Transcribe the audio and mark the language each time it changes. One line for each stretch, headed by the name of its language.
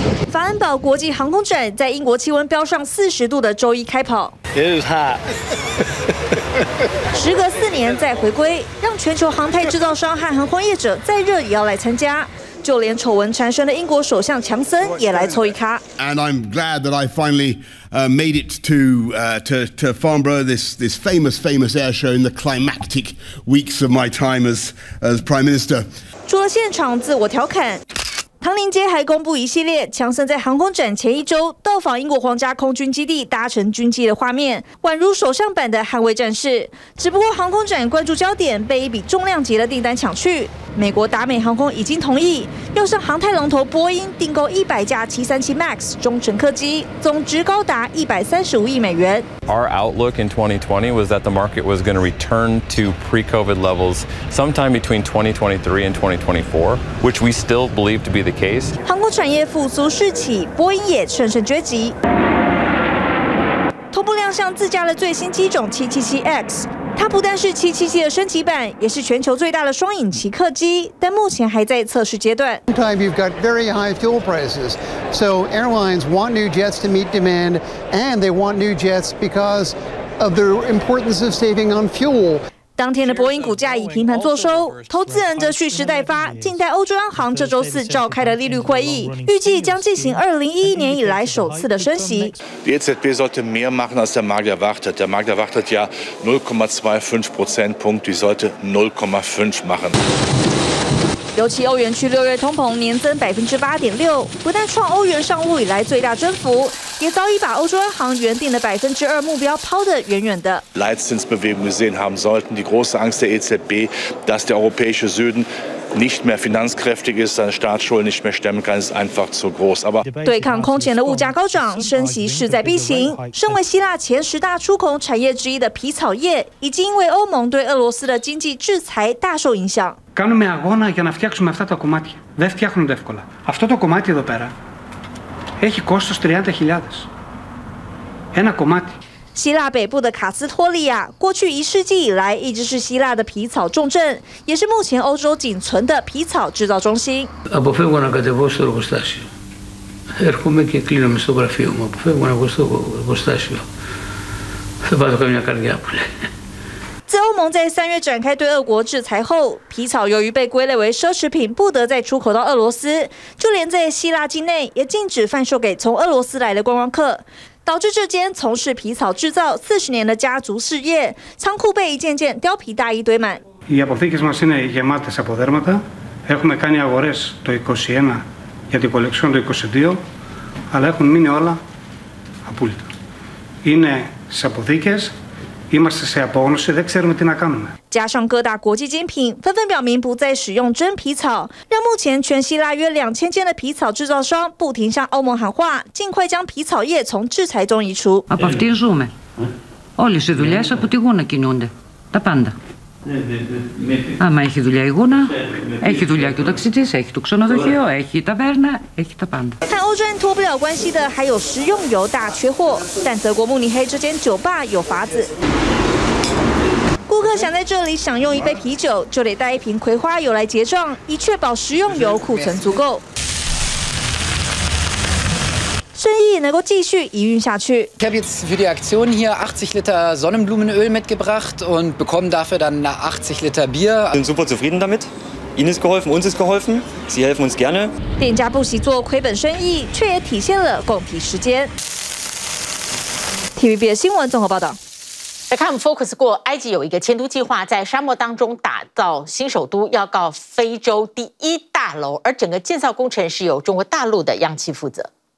Chinese: 法恩堡国际航空展在英国气温飙上40度的周一开跑。
English: It is hot.
Chinese: 时隔4年再回归，让全球航太制造商和航空业者再热也要来参加。就连丑闻缠身的英国首相强森也来凑一卡。
English: And I'm glad that I finally made it to Farnborough, this famous air show in the climactic weeks of my time as Prime Minister.
Chinese: 除了现场自我调侃。唐宁街还公布一系列强森在航空展前一周到访英国皇家空军基地搭乘军机的画面，宛如首相版的捍卫战士。只不过航空展关注焦点被一笔重量级的订单抢去，美国达美航空已经同意要向航太龙头波音订购100架737 MAX 中程客机，总值高达$135亿。
English: Our outlook in 2020 was that the market was going to return to pre-COVID levels sometime between 2023 and 2024, which we still believe to be the case.
Chinese: 航空产业复苏士气，波音也乘胜追击，同步亮相自家的最新机种 777X。它不但是777的升级版，也是全球最大的双引擎客机，但目前还在测试阶段。
English: Sometimes you've got very high fuel prices, so airlines want new jets to meet demand, and they want new jets because of the importance of saving on fuel.
Chinese: 当天的波音股价已平盘作收，投资人则蓄势待发。近代欧洲央行这周四召开的利率会议，预计将进行2011年以来首次的升息。
German: Die EZB sollte mehr machen als der Markt erwartet. Der Markt erwartet ja 0.25%, die sollte 0.5 machen.
Chinese: 尤其欧元区六月通膨年增8.6%，不但创欧元上路以来最大增幅，也早已把欧洲央行原定的2%目标抛得远远的。
German: Leitzinsbewegung gesehen haben sollten, die große Angst der EZB, dass der europäische Süden nicht mehr finanzkräftig ist, seine Staatsschulden nicht mehr stemmen kann, ist einfach zu groß. Aber
Chinese: 对抗空前的物价高涨，升息势在必行。身为希腊前十大出口产业之一的皮草业，已经因为欧盟对俄罗斯的经济制裁大受影响。
Greek: Κάνουμε αγώνα για να φτιάξουμε αυτά τα κομμάτια. Δεν φτιάχνονται εύκολα. Αυτό το κομμάτι εδώ πέρα έχει κόστος 30.000. Ένα κομμάτι.
Chinese: 希腊北部的卡斯托利亚，过去一世纪以来一直是希腊的皮草重镇，也是目前欧洲仅存的皮草制造中心。
Greek: Αποφεύγω να κατεβώ στο εργοστάσιο. Έρχομαι και κλείνω μες στο γραφείο μου. Αποφεύγω να κατεβώ στο εργοστάσιο. Θα πάω καμιά καρδιά που λέει.
Chinese: 自欧盟在3月展开对俄国制裁后，皮草由于被归类为奢侈品，不得再出口到俄罗斯，就连在希腊境内也禁止贩售给从俄罗斯来的观光客，导致这间从事皮草制造40年的家族事业仓库被一件件貂皮大衣堆满。
Greek: Οι αποθήκες μας είναι γεμάτες από δέρματα. Έχουμε κάνει αγορές το 21 για την κολεξιόν το 22, αλλά έχουν μείνει όλα απόλυτα. Είναι στις αποθήκες. Είμαστε σε απόγνωση, δεν ξέρουμε τι να κάνουμε.
Chinese: 加上各大国际精品纷纷表明不再使用真皮草，让目前全希腊约2000间的皮草制造商不停向欧盟喊话，尽快将皮草业从制裁中移除。
Greek: Από αυτή ζούμε. Όλες οι δουλειές από τη γούνα κινούνται. Τα πάντα. Άμα έχει δουλειά η γούνα, έχει δουλειά και ο ταξιτζής, έχει το ξενοδοχείο, έχει η ταβέρνα, έχει τα πάντα.
Chinese: 和欧洲人脱不了关系的还有食用油大缺货，但德国慕尼黑这间酒吧有法子。顾客想在这里享用一杯啤酒，就得带一瓶葵花油来结账，以确保食用油库存足够。生意能够继续营运下去。
German: Ich habe jetzt für die Aktion hier 80 Liter Sonnenblumenöl mitgebracht und bekomme dafür dann 80 Liter Bier. Wir sind super zufrieden damit. Ihnen ist geholfen, uns ist geholfen. Sie helfen uns gerne.
Chinese: 店家不惜做亏本生意，却也体现了共体时间。 TVB 新闻综合报道。来看我们 focus 过，埃及有一个迁都计划，在沙漠当中打造新首都，要告非洲第一大楼，而整个建造工程是由中国大陆的央企负责。